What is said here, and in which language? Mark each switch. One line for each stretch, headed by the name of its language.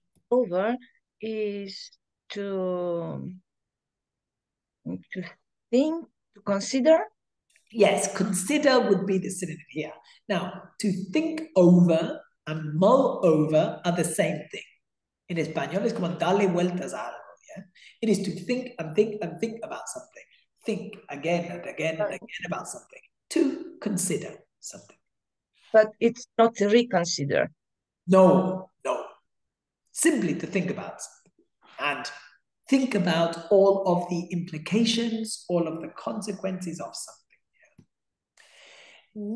English: Over is to think, to consider. Yes, consider would be the synonym here. Now, to think over and mull over are the same thing. In Espanol,
Spanish: es como darle vueltas a algo.
English: Yeah? It is to think and think and think about something. Think again and again and again about something. To consider something. But it's not to reconsider. No. Simply to think about. And think about all of the implications, all of the consequences of something.